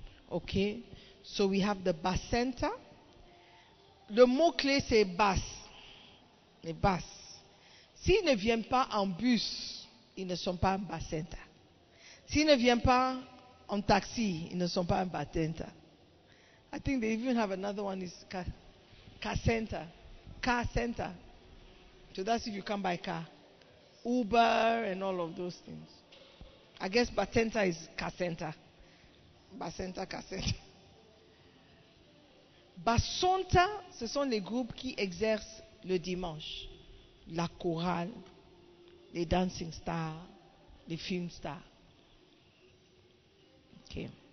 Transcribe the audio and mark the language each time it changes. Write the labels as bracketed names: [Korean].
[English] Ok? So we have the bacenta. [French] Le mot clé c'est bas. Les bas. S'ils ne viennent pas en bus, ils ne sont pas un bacenta. S'ils ne viennent pas en taxi, ils ne sont pas un batenta. [English] I think they even have another one, is car center. Car center. So that's if you come by car. Uber and all of those things. I guess batenta is car center. Bacenta, car center. [French] Basonta, ce sont les groupes qui exercent le dimanche. La chorale, les dancing stars, les film stars. [English] Okay.